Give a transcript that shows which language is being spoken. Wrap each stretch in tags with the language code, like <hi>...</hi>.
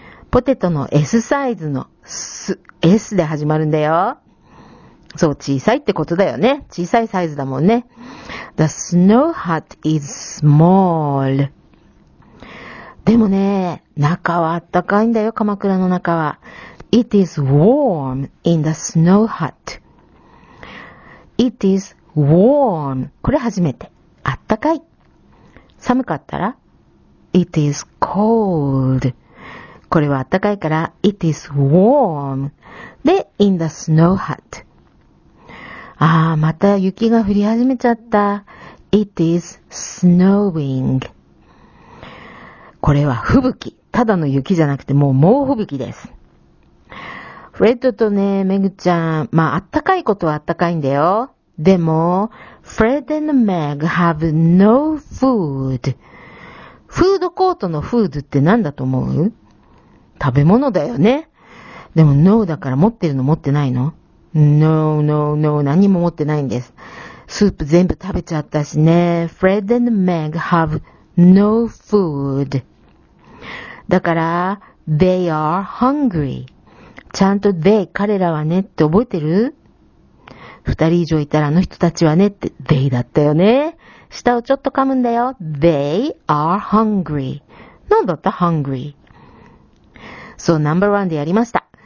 <ja>ポテトの S サイズの S で始まるんだよ。そう、小さいってことだよね。小さいサイズだもんね。</ja> <en>The snow hut is small.</en> <ja>でもね、中はあったかいんだよ、鎌倉の中は。</ja> <en>It is warm in the snow hut. It is warm.</en> <ja>これ初めて。あったかい。寒かったら</ja> <en>It is cold.</en> <ja>これはあったかいから</ja> <en>It is warm. で、in the snow hut.</en> <ja>ああ、また雪が降り始めちゃった。</ja> <en>It is snowing.</en> <ja>これは吹雪。ただの雪じゃなくて、もう猛吹雪です。フレッドとね、メグちゃん、まあ、暖かいことは暖かいんだよ。でも、</ja> <en>フレッド and Meg have no food.</en> <ja>フードコートのフードって何だと思う？食べ物だよね。でも、no だから持ってるの持ってないの？</ja> <en>No, no, no,</en> <ja>何も持ってないんです。スープ全部食べちゃったしね。</ja> <en>Fred and Meg have no food.</en> <ja>だから、</ja> <en>they are hungry.</en> <ja>ちゃんと they, 彼らはねって覚えてる？二人以上いたらあの人たちはねって they だったよね。舌をちょっと噛むんだよ。</ja> <en>they are hungry.</en> <ja>なんだった hungry? そう、ナンバーワンでやりました。</ja>